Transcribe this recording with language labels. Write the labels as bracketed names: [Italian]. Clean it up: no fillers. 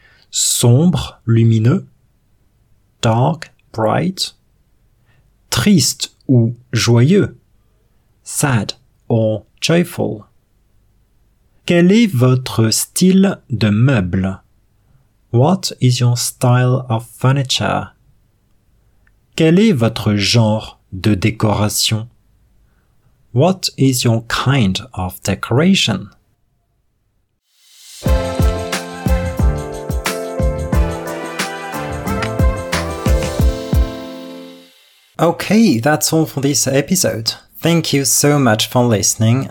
[French] Sombre, lumineux. [English] Dark, bright. [French] Triste ou joyeux. [English] Sad or joyful. [French] Quel est votre style de meuble? [English] What is your style of furniture? [French] Quel est votre genre de décoration? [English] What is your kind of decoration? Okay, that's all for this episode. Thank you so much for listening.